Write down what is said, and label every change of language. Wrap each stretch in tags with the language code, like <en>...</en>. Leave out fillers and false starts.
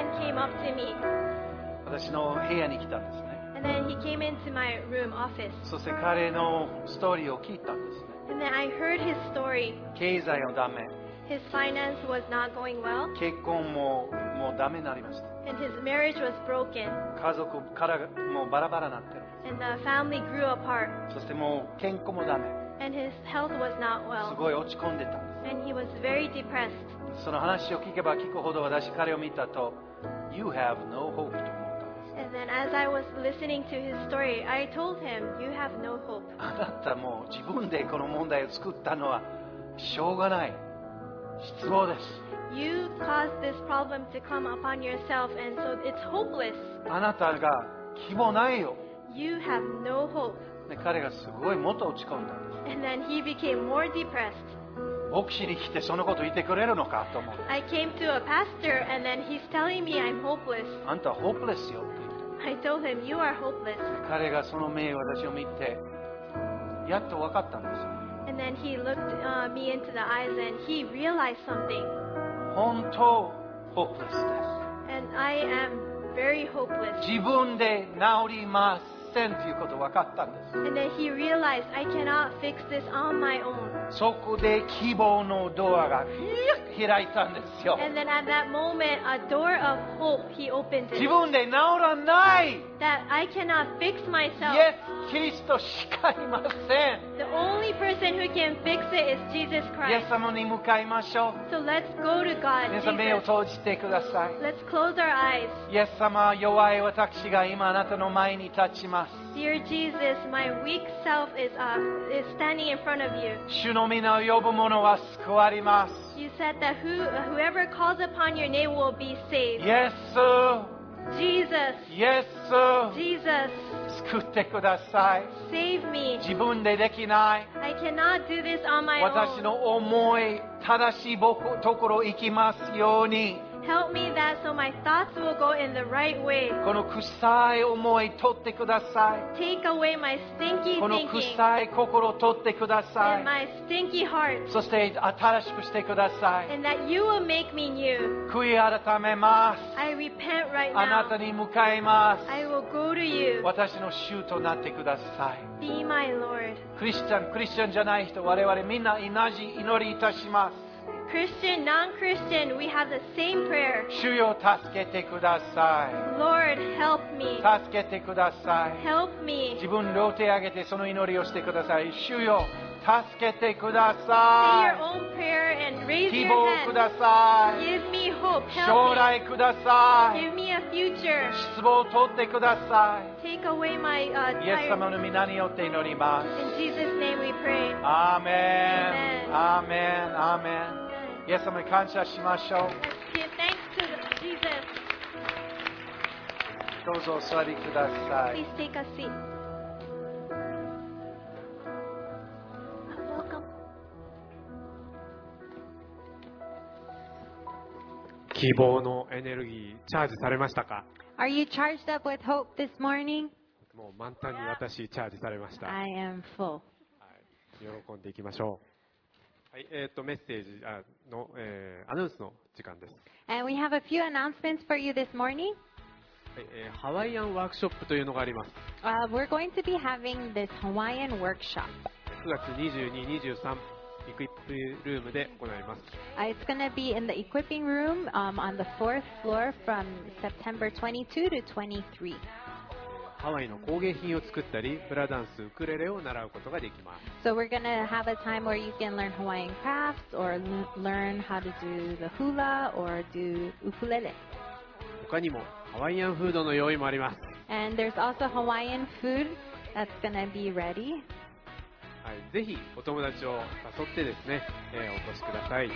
<ja>私の部屋に来たんですね。</ja> <en>And then he came into my room office.</en> <ja>そして彼のストーリーを聞いたんですね。</ja> <en>And then I heard his story.</en> <ja>経済もダメ。</ja> <en>His finance was not going well.</en> <ja>結婚ももうダメになりました。</ja> <en>And his marriage was broken.</en> <ja>家族からもうバラバラになってる。</ja> <en>And the family grew apart.</en> <ja>そしてもう健康もダメ。</ja> <en>And his health was not well.</en> <ja>すごい落ち込んでたんです。</ja> <en>And he was very depressed.</en> <ja>その話を聞けば聞くほど私彼を見たと、</ja> <en>You have no hope</en> <ja>と。</ja> <en>And then as I was listening to his story, I told him, You have no hope.</en> <ja>あなたも自分でこの問題を作ったのはしょうがない。失望です。</ja> <en>You caused this problem to come upon yourself, and so it's hopeless.</en> <ja>あなたが希望ないよ。</ja> <en>You have no hope.</en> <ja>で、彼がすごいもっと落ち込んだんです。</ja> <en>And then he became more depressed.</en> <ja>牧師に来てそのこと言ってくれるのかと思う。</ja> <en>I came to a pastor, and then he's telling me I'm hopeless.</en> <ja>あんたは hopeless よ。</ja> <en>I told him, you are hopeless.</en> <ja>彼がその目を私を見てやっと分かったんです。</ja> <en>And then he looked me into the eyes and he realized something.</en> <ja>本当 hopeless です。</ja> <en>And I am very hopeless.</en> <ja>自分で治りませんということを分かったんです。</ja> <en>And then he realized, I cannot fix this on my own.</en> <ja>そこで希望のドアが開いたんですよ。</ja> <en>And then at that moment, a door of hope, he opened it.</en> <ja>自分で治らない。</ja> <en>That I cannot fix myself.</en> <ja>イエス・キリストしかいません。</ja> <en>The only person who can fix it is Jesus Christ.</en> <ja>イエス様に向かいましょう。</ja> <en>So let's go to God, Jesus.</en> <ja>皆さん目を閉じてください。</ja> <en>Let's close our eyes.</en> <ja>イエス様、弱い私が今あなたの前に立ちます。</ja> <en>Dear Jesus, my weak self is standing in front of you.</en> <ja>主の名を呼ぶ者は救われます。</ja> <en>You said that whoever calls upon your name will be saved.</en> <ja>イエス。</ja> <en>Jesus. Yes. Jesus.</en> <ja>救ってください。</ja> <en>Save me.</en> <ja>自分でできない。</ja> <en>I cannot do this on my own.</en> <ja>私の思い、正しいところ行きますように。</ja> <en>Help me that so my thoughts will go in the right way.</en> <ja>この臭い思い取ってください。</ja> <en>Take away my stinky thinking.</en> <ja>この臭い心を取ってください。</ja> <en>And my stinky heart.</en> <ja>そして新しくしてください。</ja> <en>And that you will make me new.</en> <ja>悔い改めます。</ja> <en>I repent right now.</en> <ja>あなたに向かいます。</ja> <en>I will go to you.</en> <ja>私の主となってください。</ja> <en>Be my Lord.</en> <ja>クリスチャンじゃない人、我々みんな同じ祈りいたします。</ja> <en>Christian, non-Christian, we have the same prayer.</en> <ja>主よ、助けてください。</ja> <en>Lord, help me.</en> <ja>助けてください。</ja> <en>Help me.</en> <ja>自分両手を挙げてその祈りをしてください。主よ、助けてください。</ja> <en>Say your own prayer and raise your hand.</en> <ja>希望ください。</ja> <en>Give me hope. Help me.</en> <ja>将来ください。</ja> <en>Give me a future.</en> <ja>失望を取ってください。</ja> <en>Take away my tired.</en> <ja>イエス様の名によって祈ります。</ja> <en>In Jesus' name we pray. Amen. Amen. Amen.</en> <ja>イエス様に感謝しましょう。</ja> <en>Thanks to Jesus.</en> <ja>どうぞお座りください。</ja> <en>Please take a seat. Welcome.</en> <ja>希望のエネルギーチャージされましたか？</ja> <en>Are you charged up with hope this morning?</en> <ja>もう満タンに私チャージされました。</ja> <en>I am full.</en> <ja>喜んでいきましょう。はい、メッセージの、アナウンスの時間です。</ja> <en>And we have a few announcements for you this morning.</en> <ja>はい、ハワイアンワークショップというのがあります。</ja> <en>We're going to be having this Hawaiian workshop.</en> <ja>9月22、23、エクイプルームで行います。</ja> <en>It's going to be in the equipping room, on the fourth floor from September 22 to 23.</en> <ja>ハワイの工芸品を作ったり、フラダンス、ウクレレを習うことができます。</ja> <en>So we're gonna have a time where you can learn Hawaiian crafts or learn how to do the hula or do ukulele.</en> <ja>他にもハワイアンフードの用意もあります。</ja> <en>And there's also Hawaiian food that's gonna be ready.</en> <ja>はい、ぜひお友達を誘ってですね、お越しください。</ja>